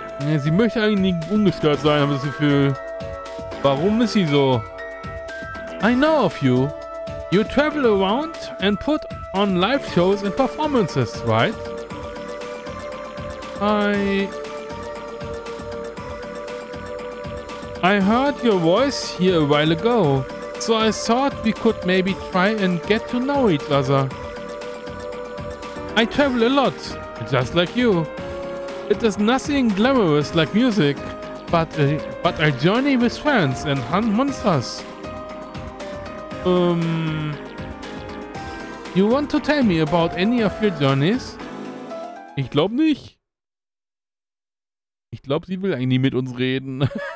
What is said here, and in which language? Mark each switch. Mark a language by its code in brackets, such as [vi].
[de] Ja, sie möchte eigentlich nicht ungestört sein, habe ich das Gefühl. Warum ist sie so? [en] I know of you. You travel around and put on live shows and performances, right? I heard your voice here a while ago, so I thought we could maybe try and get to know each other. I travel a lot, just like you. It is nothing glamorous like music, but a journey with friends and hunt monsters. You want to tell me about any of your journeys? [de] Ich glaube nicht. Ich glaube, sie will eigentlich mit uns reden.